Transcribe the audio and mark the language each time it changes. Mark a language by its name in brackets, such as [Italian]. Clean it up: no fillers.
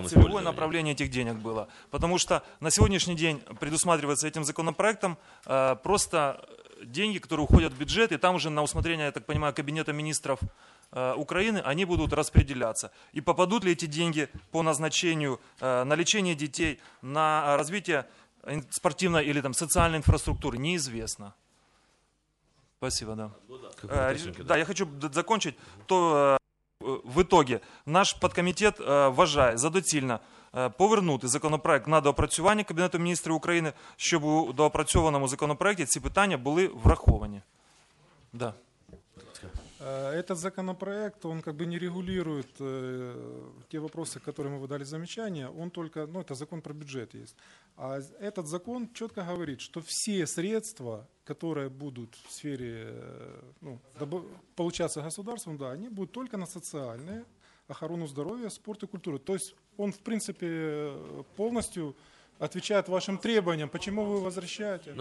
[Russian] да, целевое направление этих денег было. Потому что на сегодняшний день предусматривается этим законопроектом просто деньги, которые уходят в бюджет, и там уже на усмотрение, я так понимаю, Кабинета министров Украины, они будут распределяться. И попадут ли эти деньги по назначению на лечение детей, на развитие спортивной или там социальной инфраструктуры, неизвестно. Спасибо, да. Да, я хочу закончить. То в итоге наш подкомитет [Ukrainian] вважає за доцільне повернути законопроект на доопрацювання Кабінету міністрів України, щоб у доопрацьованому законопроекті ці питання були враховані. [Russian] Да. Этот законопроект, он как бы не регулирует те вопросы, которые мы выдали замечания, он только, ну это закон про бюджет есть, а этот закон четко говорит, что все средства, которые будут в сфере, ну, получаться государством, да, они будут только на социальные, охрану здоровья, спорт и культуру, то есть он в принципе полностью отвечает вашим требованиям, почему вы возвращаете?